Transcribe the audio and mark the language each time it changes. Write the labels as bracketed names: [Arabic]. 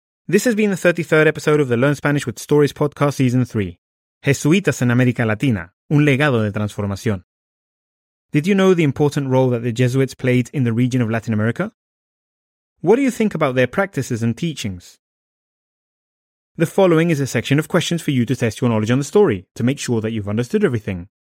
[English] This has been the 33rd episode of the Learn Spanish with Stories podcast season 3. [Spanish] Jesuitas en América Latina, un legado de transformación. [English] Did you know the important role that the Jesuits played in the region of Latin America? What do you think about their practices and teachings? The following is a section of questions for you to test your knowledge on the story, to make sure that you've understood everything.